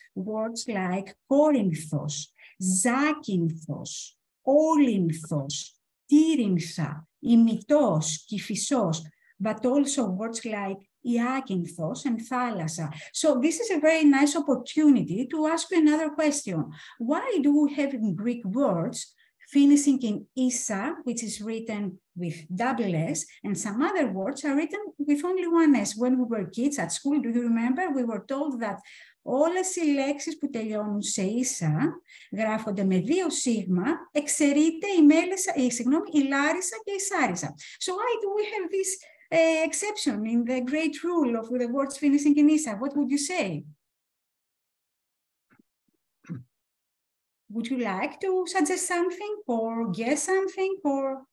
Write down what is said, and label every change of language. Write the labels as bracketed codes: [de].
[en] Words like Corinthos, Zakynthos, Olynthos, Tirintha, Imitos, Kyphisos, but also words like Iakynthos and Thalassa. So this is a very nice opportunity to ask you another question. Why do we have in Greek words finishing in issa, which is written with double S, and some other words are written with only one S? When we were kids at school, do you remember? We were told that all the lexes [el] που τελειώνουν σε issa γράφονται με δύο σίγμα, εξαιρείται η μέλισσα, συγγνώμη, η λάρισα και η σάρισα. [en] So why do we have this exception in the great rule of the words finishing in issa? What would you say? Would you like to suggest something or guess something or?